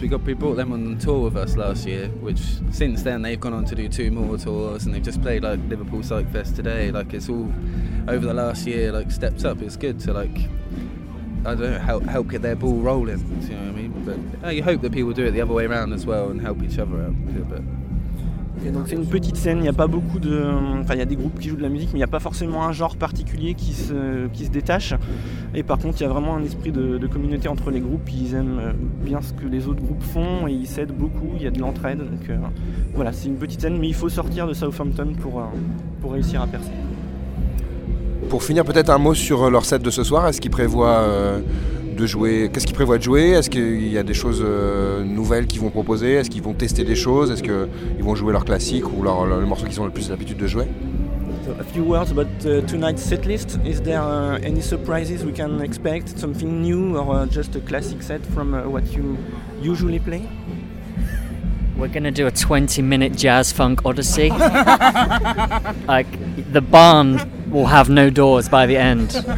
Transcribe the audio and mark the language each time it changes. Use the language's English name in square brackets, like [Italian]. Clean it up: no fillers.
[English] We brought them on tour with us last year. Which since then they've gone on to do two more tours, and they've just played like Liverpool Psych Fest today. Like it's all over the last year. Like stepped up. It's good to like. I don't know, help get their ball rolling, you know what I mean? But you hope that people do it the other way around as well and help each other out a bit. [French] Okay, donc c'est une petite scène, il n'y a pas beaucoup de... Enfin, il y a des groupes qui jouent de la musique, mais il n'y a pas forcément un genre particulier qui se détache. Et par contre, il y a vraiment un esprit de communauté entre les groupes. Ils aiment bien ce que les autres groupes font et ils s'aident beaucoup, il y a de l'entraide. Donc voilà, c'est une petite scène, mais il faut sortir de Southampton pour réussir à percer. Pour finir, peut-être un mot sur leur set de ce soir. Est-ce qu'ils prévoient de jouer ? Qu'est-ce qu'ils prévoient de jouer ? Est-ce qu'il y a des choses nouvelles qu'ils vont proposer ? Est-ce qu'ils vont tester des choses ? Est-ce qu'ils vont jouer leur classique ou le morceau qu'ils ont le plus l'habitude de jouer ? [English] So a few words about tonight's setlist. Is there any surprises we can expect ? Something new or just a classic set from what you usually play ? We're going to do a 20-minute jazz funk odyssey. Like, the barn will have no doors by the end.